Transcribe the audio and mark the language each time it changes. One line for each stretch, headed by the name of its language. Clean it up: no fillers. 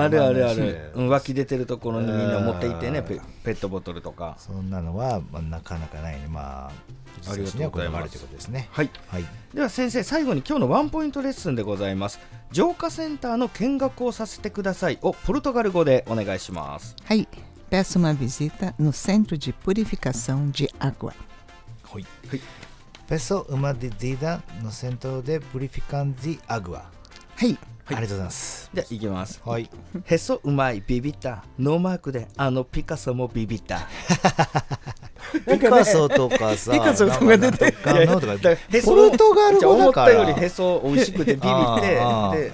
Japanese: あるあるある、湧き出てるところにみんな持っていってね、ペットボトルとか、そんなのは、まあ、なかなかないね。まあ、ありがとうございます。これもあるということですね。はい、はい、では先生、最後に今日のワンポイントレッスンでございます。浄化センターの見学をさせてくださいをポルトガル語でお願いします。はい。
Portuguese: Peço uma visita no centro de purificação de água。
Japanese: はい、はい。
Portuguese: Peço uma visita no centro de purificação de água。
Japanese: はい、ありがとうございます。じゃあ行きます。はい。へそうまいビビった、ノーマークでピカソもビビった。ピカソとかさ、ピカソとか出てかかかかへそ、ポルトガル語だから思ったよりへそ美味しくてビビって